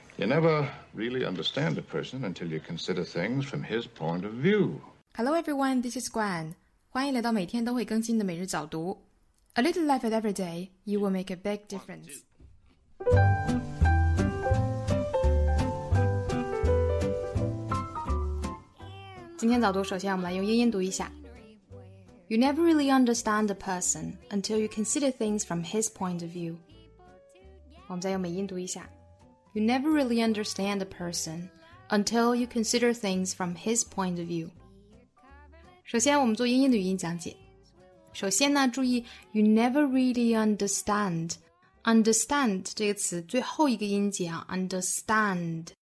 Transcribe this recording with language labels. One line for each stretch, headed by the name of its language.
English: You never really understand a person until you consider things from his point of view. Hello everyone, this is Gwen.
Chinese: 欢迎来到每天都会更新的每日早读。
English: A little life at every day, you will make a big difference.
Chinese: One, 今天早读首先我们来用英音读一下。
English: You never really understand a person until you consider things from his point of view.
Chinese: 我们再用美音读一下。
English: You never really understand a person until you consider things from his point of view.
Chinese: 首先我们做英音的语音讲解。首先呢注意
English: you never really understand.
Chinese: Understand 这个词最后一个音节啊 understand.